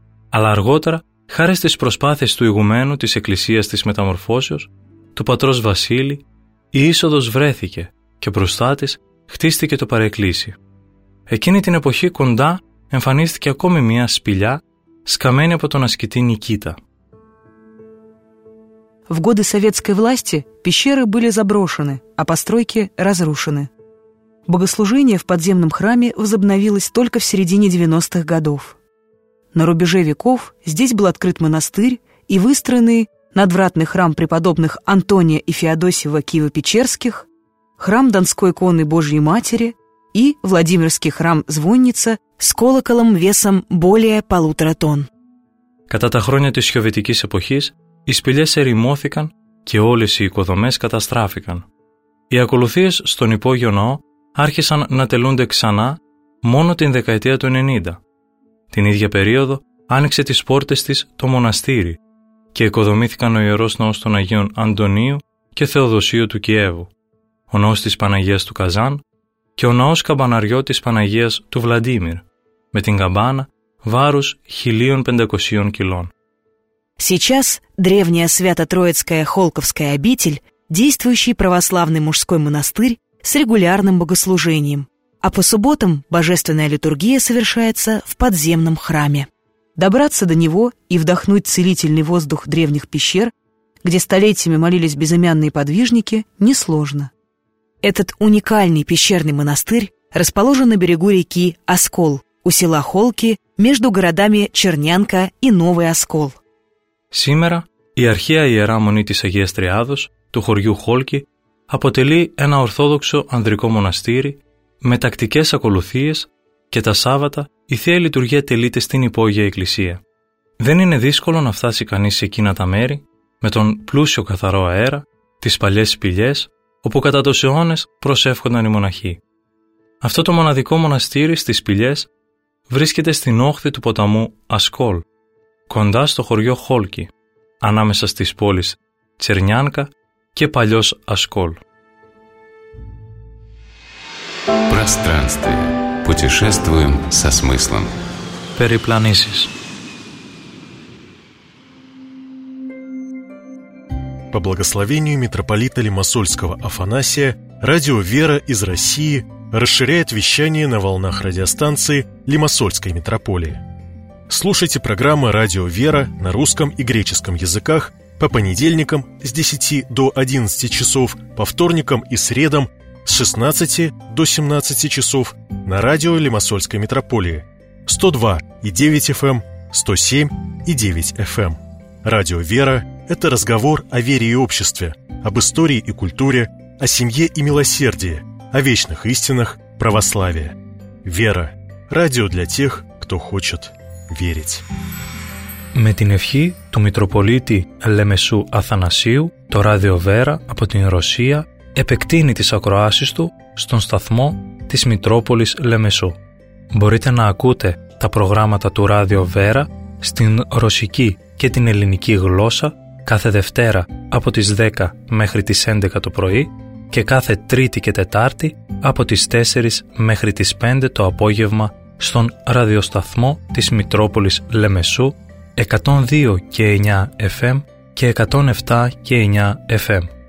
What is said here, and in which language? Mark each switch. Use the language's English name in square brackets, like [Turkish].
[Greek] Αλλά αργότερα, χάρη στις προσπάθειες του ηγουμένου της εκκλησίας της Μεταμορφώσεως, του πατρός Βασίλη, η είσοδος βρέθηκε και μπροστά της χτίστηκε το παρεκκλήσι. Εκείνη την εποχή κοντά εμφανίστηκε ακόμη μια σπηλιά σκαμμένη από τον ασκητή Νικήτα. [Russian] В годы советской власти пещеры были заброшены, а постройки разрушены. Богослужение в подземном храме возобновилось только в середине 90-х годов. На рубеже веков здесь был открыт монастырь и выстроенный надвратный храм преподобных Антония и Феодосия Киево-Печерских, храм Донской иконы Божьей Матери и Владимирский храм Звонница с колоколом весом более 1,5 тонн. [Greek] Κατά τα χρόνια της Σοβιετικής εποχής, οι σπηλιές ερημώθηκαν και όλες οι οικοδομές καταστράφηκαν. Οι ακολουθίες στον υπόγειο ναό άρχισαν να τελούνται ξανά μόνο την δεκαετία του 90. Την ίδια περίοδο άνοιξε τις πόρτες της το μοναστήρι και οικοδομήθηκαν ο ιερός ναός των Αγίων Αντωνίου και Θεοδοσίου του Κιέβου, ο ναός της Παναγίας του Καζάν και ο ναός καμπαναριό της Παναγίας του Βλαντίμιρ, με την καμπάνα βάρους 1500 κιλών. [Russian] Сейчас древняя Свято-Троицкая Холковская обитель – действующий православный мужской монастырь с регулярным богослужением, а по субботам божественная литургия совершается в подземном храме. Добраться до него и вдохнуть целительный воздух древних пещер, где столетиями молились безымянные подвижники, несложно. Этот уникальный пещерный монастырь расположен на берегу реки Оскол, у села Холки, между городами Чернянка и Новый Оскол. [Greek] Σήμερα η αρχαία ιερά μονή της Αγίας Τριάδος, του χωριού Χόλκη, αποτελεί ένα ορθόδοξο ανδρικό μοναστήρι με τακτικές ακολουθίες και τα Σάββατα η Θεία Λειτουργία τελείται στην υπόγεια εκκλησία. Δεν είναι δύσκολο να φτάσει κανείς σε εκείνα τα μέρη με τον πλούσιο καθαρό αέρα, τις παλιές σπηλιές, όπου κατά τους αιώνες προσεύχονταν οι μοναχοί. Αυτό το μοναδικό μοναστήρι στις σπηλιές βρίσκεται στην όχθη του ποταμού Ασκόλ, κοντά στο χωριό Χόλκι, ανάμεσα στις πόλεις Τσερνιάνκα και παλιός Ασκόλ. [Russian] Пространстве. Путешествуем со смыслом. Перепланисис. По благословению митрополита Лимассольского Афанасия, радио «Вера» из России расширяет вещание на волнах радиостанции Лимассольской митрополии. Слушайте программы «Радио «Вера» на русском и греческом языках по понедельникам с 10 до 11 часов, по вторникам и средам с 16 до 17 часов на радио Лимассольской митрополии 102.9 FM, 107.9 FM. Радио «Вера» — это разговор о вере и обществе, об истории и культуре, о семье и милосердии, о вечных истинах православия. «Вера» — радио для тех, кто хочет верить. [Greek] Με την ευχή του Μητροπολίτη Λεμεσού Αθανασίου, το Ράδιο Βέρα από την Ρωσία επεκτείνει τις ακροάσεις του στον σταθμό της Μητρόπολης Λεμεσού. Μπορείτε να ακούτε τα προγράμματα του Ράδιο Βέρα στην ρωσική και την ελληνική γλώσσα κάθε Δευτέρα από τις 10 μέχρι τις 11 το πρωί και κάθε Τρίτη και Τετάρτη από τις 4 μέχρι τις 5 το απόγευμα στον ραδιοσταθμό της Μητρόπολης Λεμεσού 102 και 9 FM και 107 και 9 FM.